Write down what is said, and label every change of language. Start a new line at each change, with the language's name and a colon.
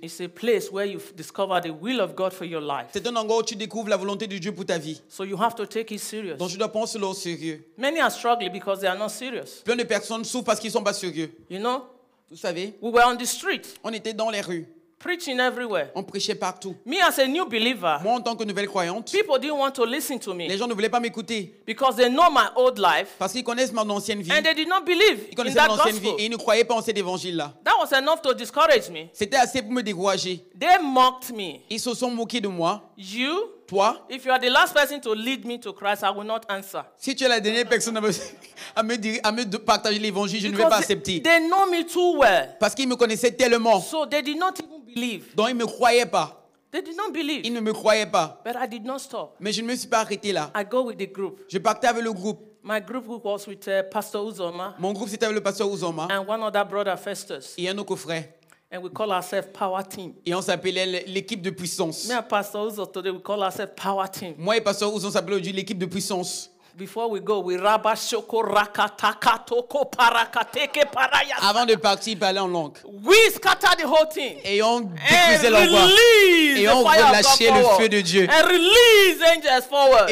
English: It's a place where you discover the will of God for your life.
French: C'est un endroit où tu découvres la volonté de Dieu pour ta vie.
English: So you have to take it serious.
French: Donc tu dois prendre cela au sérieux.
English: Many are struggling because they are not serious.
French: Plein de personnes souffrent parce qu'ils sont pas sérieux.
English: You know?
French: Vous savez?
English: We were on the street.
French: On était dans les rues.
English: Preaching everywhere.
French: On prêchait partout.
English: Me as a new believer.
French: Moi en tant que nouvelle croyante.
English: People didn't want to listen to me.
French: Les gens ne voulaient pas m'écouter.
English: Because they know my old life.
French: Parce qu'ils connaissent mon ancienne vie.
English: And they did not believe
French: ils connaissaient
English: in
French: mon
English: that
French: ancienne
English: gospel.
French: Vie et ils ne croyaient pas en cet évangile là.
English: That was enough to discourage me.
French: C'était assez pour me décourager.
English: They mocked me.
French: Ils se sont moqués de moi.
English: You?
French: Toi?
English: If you are the last person to lead me to Christ, I will not answer.
French: Si tu es la dernière personne à me partager l'évangile, je
English: because
French: ne vais pas accepter.
English: They know me too well.
French: Parce qu'ils me connaissaient tellement.
English: So they did not.
French: Donc ils ne me croyaient pas.
English: They did not believe.
French: Ils ne me croyaient pas.
English: But I did not stop.
French: Mais je ne me suis pas arrêté là.
English: I go with the group.
French: Je partais avec le groupe.
English: My group was with Pastor Uzoma.
French: Mon groupe c'était avec le pasteur Uzoma.
English: And one other brother, Festus.
French: Et un autre frère.
English: And we call ourselves Power Team.
French: Et on s'appelait l'équipe de puissance.
English: Me and Pastor Uzo, today we call ourselves Power Team.
French: Moi et Pasteur Uzo, on s'appelait aujourd'hui l'équipe de puissance.
English: Before we go, we rabashoko rakatakatoko parakateke paraya.
French: Avant de partir, parler en langue.
English: We scatter the whole thing.
French: Et on diffuse l'envoi. Et on relâche le feu de Dieu.
English: And release angels forward.